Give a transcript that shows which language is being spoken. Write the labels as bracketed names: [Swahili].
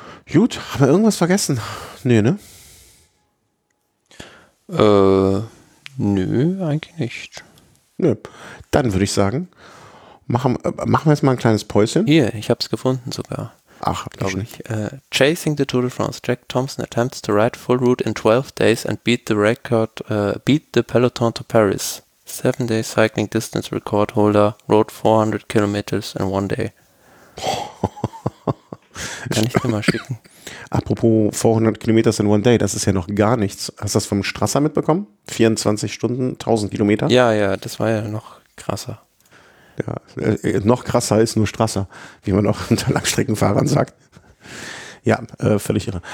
[German] Gut, haben wir irgendwas vergessen? Nee, ne? Nö, eigentlich nicht. Nö, dann würde ich sagen, machen wir jetzt mal ein kleines Päuschen. Hier, ich habe es gefunden sogar. Ach, glaube ich. [English] Chasing the Tour de France. Jack Thompson attempts to ride full route in 12 days and beat the peloton to Paris. 7-day cycling distance record holder rode 400 kilometers in one day. [German] Kann ich dir mal schicken. Apropos 400 Kilometer [English] in one day, [German] das ist ja noch gar nichts. Hast du das vom Strasser mitbekommen? 24 Stunden, 1000 Kilometer? Ja, das war ja noch krasser. Ja, noch krasser ist nur Strasser, wie man auch unter Langstreckenfahrern sagt. Ja, völlig irre.